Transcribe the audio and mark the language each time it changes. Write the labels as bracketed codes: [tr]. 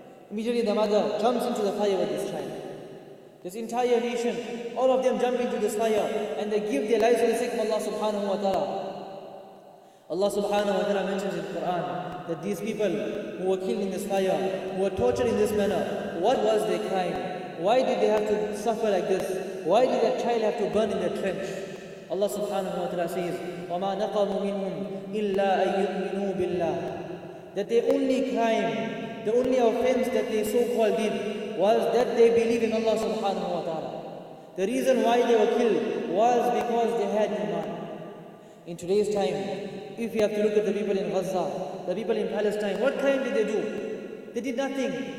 [en] Immediately the mother jumps into the fire with this child. This entire nation, all of them jump into this fire and they give their lives to the sake of Allah subhanahu wa ta'ala. Allah subhanahu wa ta'ala mentions in the Quran that these people who were killed in this fire, who were tortured in this manner, what was their crime? Why did they have to suffer like this? Why did that child have to burn in the trench? [ar] Allah subhanahu wa ta'ala says, وَمَا نَقَمُوا مِنْهُمْ إِلَّا أَن يُؤْمِنُوا بِاللَّهِ. [en] That their only crime, the only offense that they so-called did, was that they believe in Allah subhanahu wa ta'ala. The reason why they were killed was because they had iman. In today's time, if you have to look at the people in Gaza, the people in Palestine, what crime did they do? They did nothing.